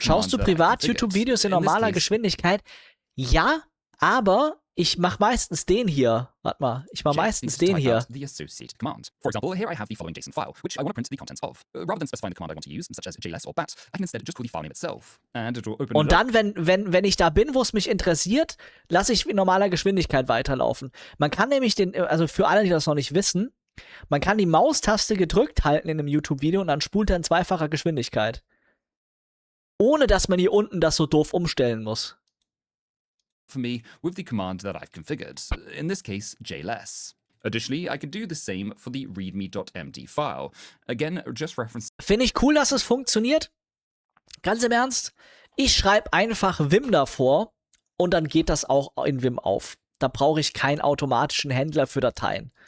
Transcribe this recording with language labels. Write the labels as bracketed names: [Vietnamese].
[German] Schaust du privat YouTube-Videos in normaler Geschwindigkeit? Ja, aber ich mach meistens den hier. Warte mal, ich mach meistens den hier. [English] The associated command. For example, here I have the following JSON file, which I want to print the contents of. Rather than specifying the command I want to use, such as JLS or bat, I can instead just call the file name itself. And it will open [German] Und dann, wenn ich da bin, wo es mich interessiert, lasse ich in normaler Geschwindigkeit weiterlaufen. Man kann nämlich den, also für alle, die das noch nicht wissen, man kann die Maustaste gedrückt halten in einem YouTube-Video und dann spult er in zweifacher Geschwindigkeit. Ohne, dass man hier unten das so doof umstellen muss. [English] For me with the command that I've configured, in this case JLS. Additionally, I can do the same for the readme.md file. Again, just reference. [German] Finde ich cool, dass es funktioniert. Ganz im Ernst, ich schreibe einfach Vim davor und dann geht das auch in Vim auf. Da brauche ich keinen automatischen Händler für Dateien.